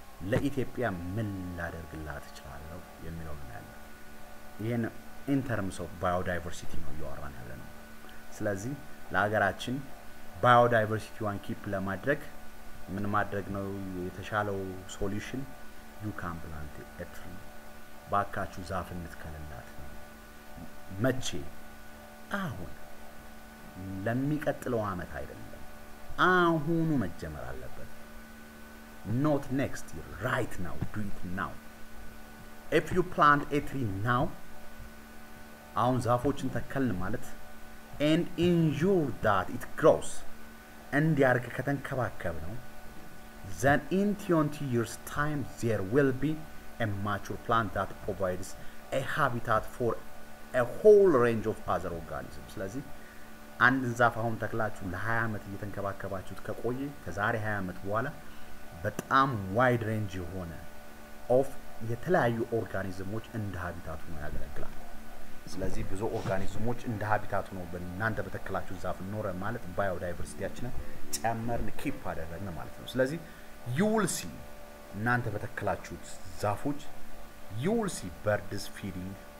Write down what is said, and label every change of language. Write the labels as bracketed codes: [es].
[am] ለኢትዮጵያ ምን ላደርግላት እችላለሁ የሚለውን ያለው ይሄን [en] ኢን ተርምስ ኦፍ ባዮዳይቨርሲቲ [am] ነው ያወራን ያለነው። ስለዚህ ለሀገራችን ባዮዳይቨርሲቲ ዋን ኪፕ ለማድረግ ምን ማድረግ ነው የተሻለው ሶሉሽን? [en] ዩ ካን ፕላንት ኤ ትሪ [am] ባካቹ ዛፍ እንትከልላት መቼ? አሁን ለሚቀጥለው አመት አይደለም፣ አሁኑ መጀመር አለበት። [en] Not next year, right now, do it now. If you plant a tree now, [am] አሁን ዛፎችን ተከልን ማለት [en] and ensure that it grows and [am] ያርከ ከተንከባከብ ነው [en] then in 20 years time there will be a mature plant that provides a habitat for a whole range of other organisms. [am] ስለዚህ አንድ ዛፍ አሁን ተክላችሁ ለ20 አመት እየተንከባከባችሁት ከቆየ ከዛሬ 20 አመት በኋላ በጣም wide range የሆነ of የተለያዩ organisms እንደ habitat ነው ያገለግላል። ስለዚህ ብዙ ኦርጋኒዝሞች እንደ ሀቢታቱ ነው በእናንተ በተከላችሁ ዛፍ ኖረ ማለት ባዮዳይቨርሲቲያችን ጨመርን ኪፕ አደረግን ማለት ነው። ስለዚህ [en] you will see [am] እናንተ በተከላችሁ ዛፎች [en] you will see birds feeding